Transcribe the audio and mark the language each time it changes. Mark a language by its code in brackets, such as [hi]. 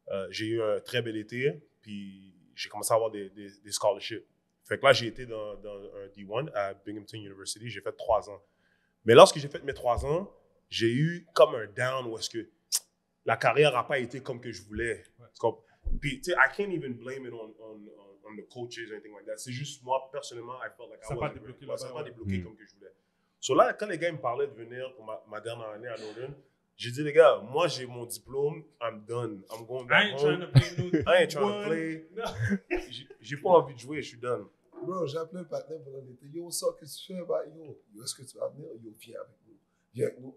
[fr] J'ai eu un très bel été. Puis j'ai commencé à avoir des scholarships. Fait que là, j'ai été dans un D1 à Binghamton University. J'ai fait 3 ans. Mais lorsque j'ai fait mes 3 ans, j'ai eu comme un down où est-ce que la carrière n'a pas été comme que je voulais. Ouais. Puis, tu sais, [en] I can't even blame it on the coaches or anything like that. [fr] C'est juste moi, personnellement, [en] I felt like [fr] ça [en] I wasn't débloqué, [fr] ouais, ça n'a pas débloqué comme que je voulais. So là, quand les gars me parlaient de venir pour ma dernière année à Northern, j'ai dit, les gars, moi, j'ai mon diplôme. [en] I'm done. I'm going back home. I ain't trying to play. No. [fr] J'ai pas envie de jouer. Je suis done. Bro, j'ai appelé le partner pendant l'été. Yo, ça, qu'est-ce que tu fais? Bah, yo, est-ce que tu vas venir? Yo, viens avec nous. Viens avec nous.